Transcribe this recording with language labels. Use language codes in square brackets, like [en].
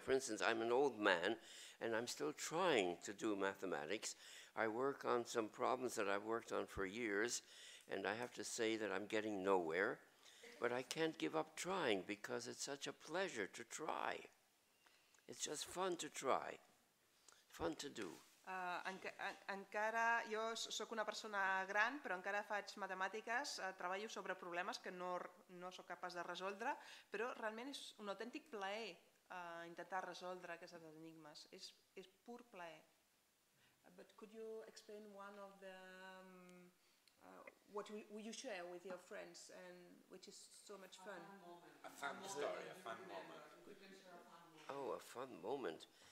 [en] For instance, I'm an old man, and I'm still trying to do mathematics. I work on some problems that I've worked on for years, and I have to say that I'm getting nowhere. But I can't give up trying because it's such a pleasure to try. It's just fun to try, fun to do. [ca] Encara jo sóc una persona gran, però encara faig matemàtiques, treballo sobre problemes que no sóc capaç de resoldre, però realment és un autèntic plaer intentar resoldre aquests enigmes, és pur plaer. [en] But could you explain one of the what will you share with your friends, and which is so much fun. A fun moment. A fun story, a fun moment. Oh, a fun moment.